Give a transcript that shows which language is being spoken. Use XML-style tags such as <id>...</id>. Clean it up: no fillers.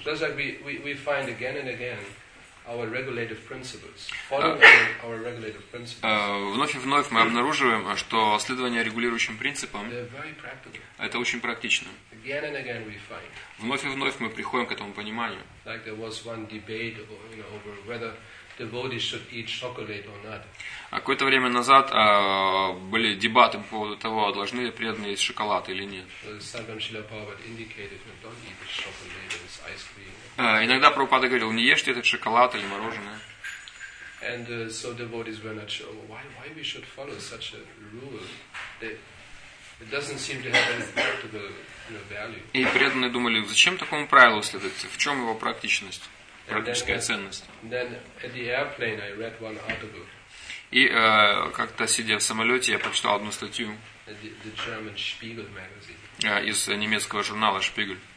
<en>Just like we find again and again, our regulative principles. Following our regulative principles.</en> <ru>Вновь и вновь мы обнаруживаем, что следование регулирующим принципам это очень практично.</ru> <en>Again and again we find.</en> <ru>Вновь и вновь мы приходим к этому пониманию.</ru> <en>Like there was one debate over whether devotees should eat chocolate or not.</en> <ru>Какое-то время назад были дебаты по поводу того, должны ли преданные есть шоколад или нет.</ru> <en>Sometimes Srila Prabhupada indicated that don't eat chocolate or ice cream.</en> <ru>Иногда Прабхупада говорил, не ешьте этот шоколад или мороженое.</ru> <en>And so devotees were not sure why we should follow such a rule. It doesn't seem to have any practical value.</en> <ru>И преданные думали, зачем такому правилу следовать? В чем его практичность, практическая ценность?</ru> <en>Then at the airplane I read one article.</en> <ru>И как-то сидя в самолете, я прочитал одну статью из немецкого журнала Spiegel.</ru>